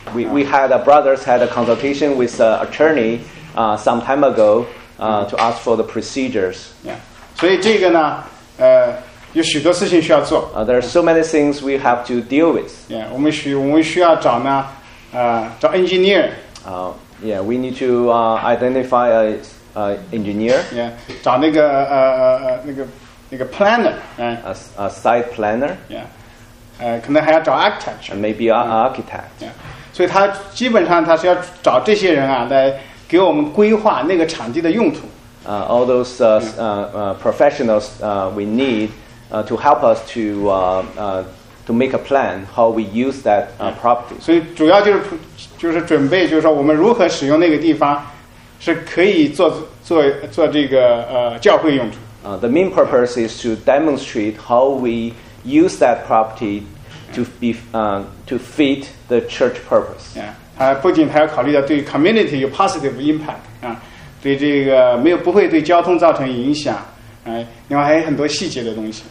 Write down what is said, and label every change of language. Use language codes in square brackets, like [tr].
[en] We had a brothers had a consultation with an attorney some time ago to ask for the procedures. Yeah. [zh] 所以这个呢，有许多事情需要做。 [en] There are so many things we have to deal with. [zh] Yeah. 我们需要找呢，找 engineer. [en] Yeah. We need to identify a engineer. [zh] Yeah. 找那个 planner. [en] A site planner. [zh] Yeah. 可能还要找 architecture [en] maybe architect、 yeah. [zh] 所以他基本上他是要找这些人啊来给我们规划那个场地的用途、 [en] all those professionals we need to help us to make a plan how we use that property [zh] 所以主要就是准备就是说我们如何使用那个地方是可以做这个教会用途 [en] The main purpose is to demonstrate how we use that property to fit the church purpose. [zh] Yeah, 他不仅他要考虑到对 community 有 positive impact 啊，对这个没有不会对交通造成影响，哎，另外还有很多细节的东西。